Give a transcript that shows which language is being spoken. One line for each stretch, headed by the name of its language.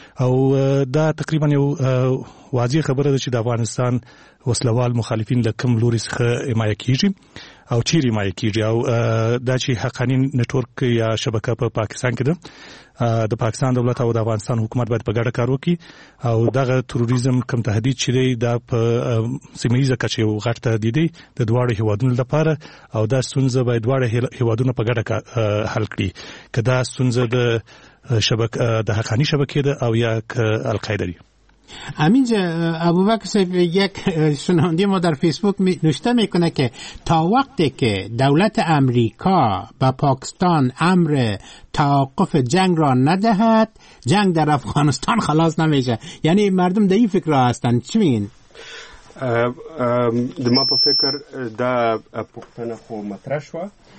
Pashto: او دا تقریبا یو واضح خبره ده چې د افغانستان وسلوال مخالفین له کوم لوري څخه حمایه کیږي او چیرې حمایه کیږي، او دا چې حقانی نتورک یا شبکه په پاکستان کې ده، د پاکستان دولت او د افغانستان حکومت باید په ګډه کار وکړي او دغه تروریزم کم تهدید چې دی دا په سیمه ییزه کچه یو غټ تهدید دی د دواړو هیوادونو لپاره، او دا ستونزه باید دواړه هیوادونه په ګډه حل کړي. که دا ستونزه د شبکه د حقانی شبکې ده او یا که القاعده دی.
Persian: همینجا ابوبکر صاحب یک شنونده ما در فیسبوک نوشته میکنه که تا وقتی که دولت امریکا به پاکستان امر توقف جنگ را ندهد، جنگ در افغانستان خلاص نمیشه. یعنی مردم در این فکر هستن، چی میگین؟
Pashto: دما په فکر دا پوښتنه خو مطرح شوه.